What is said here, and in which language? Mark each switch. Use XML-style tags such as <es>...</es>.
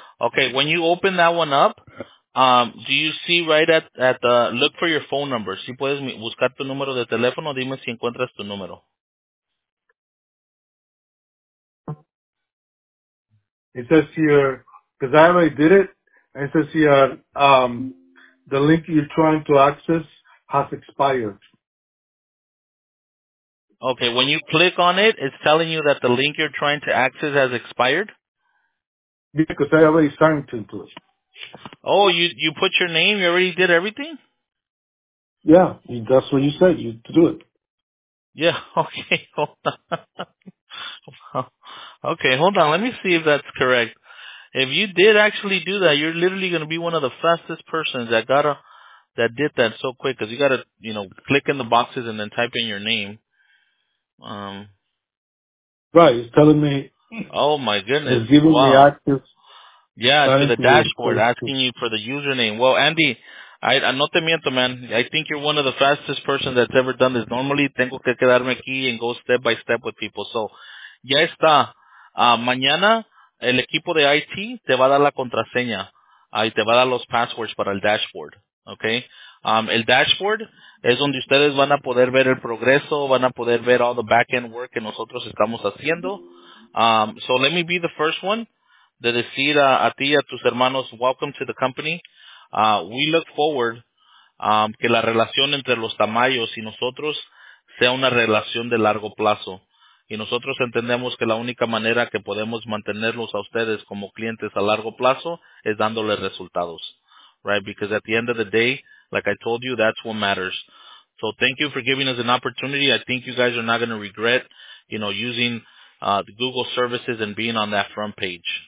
<en>Okay, when you open that one up, do you see right at the, look for your phone number.</en> <es>Si puedes buscar tu número de teléfono, dime si encuentras tu número.</es> <en>It says here, because I already did it, it says here, the link you're trying to access has expired. Okay, when you click on it, it's telling you that the link you're trying to access has expired? Because I already signed into it. Oh, you put your name, you already did everything? Yeah, that's what you said, you to do it. Yeah, okay, hold on. Okay, hold on. Let me see if that's correct. If you did actually do that, you're literally going to be one of the fastest persons that did that so quick, because you got to, you know, click in the boxes and then type in your name. Right, it's telling me. Oh, my goodness. It's giving wow. me access. Yeah, to the dashboard, asking you for the username. Well, Andy, I</en> <es>no te miento,</es> <en>man. I think you're one of the fastest persons that's ever done this. Normally,</en> <es>tengo que quedarme aquí</es> <en>and go step by step with people. So,</en> <es>ya está. Mañana, el equipo de IT te va a dar la contraseña. Y te va a dar los passwords para el dashboard. Okay? El dashboard es donde ustedes van a poder ver el progreso, van a poder ver</es> <en>all the back-end work</en> <es>que nosotros estamos haciendo. So, let me be the first one de decir a ti y a tus hermanos, welcome to the company.</es> <en>We look forward</en> <es>que la relación entre los Tamayos y nosotros sea una relación de largo plazo. Y nosotros entendemos que la única manera que podemos mantenerlos a ustedes como clientes a largo plazo es dándoles resultados.</es> <en>Right? Because at the end of the day, like I told you, that's what matters. So thank you for giving us an opportunity. I think you guys are not going to regret, you know, using the Google services and being on that front page.</en>